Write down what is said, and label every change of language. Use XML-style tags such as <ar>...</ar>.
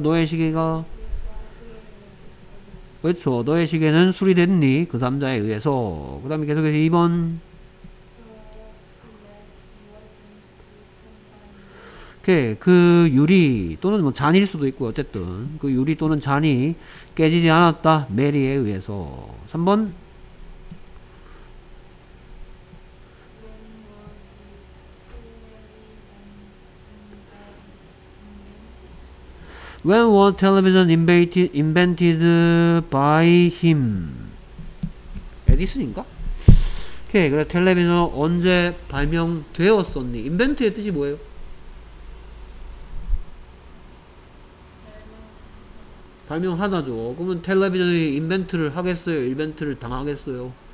<ko>너의 시계가 그렇죠. 너의 시계는 수리됐니? 그 남자에 의해서 그 다음에 계속해서 2번 오케이 그 유리 또는 뭐 잔일 수도 있고 어쨌든 그 유리 또는 잔이 깨지지 않았다. 메리에 의해서 3번</ko> <en>When was television invented by him?</en> <ko>에디슨인가? 오케이, 그래, 텔레비전 언제 발명되었었니? invent의 뜻이 뭐예요? 발명하다죠. 그러면 텔레비전이 invent를 하겠어요? invent를 당하겠어요?</ko>